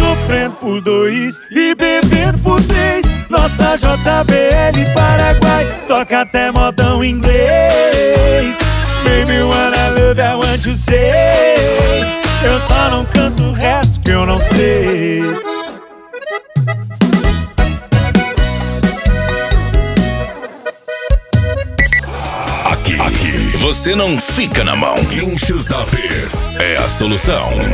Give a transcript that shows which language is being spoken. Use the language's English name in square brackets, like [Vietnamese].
[Portuguese] Sofrendo por dois e bebendo por três. Nossa JBL Paraguai toca até modão inglês. [English] Baby, wanna love, I want you say. [Portuguese] Eu só não canto o resto que eu não sei. Aqui, aqui, você não fica na mão. Inchos da Beer é a solução.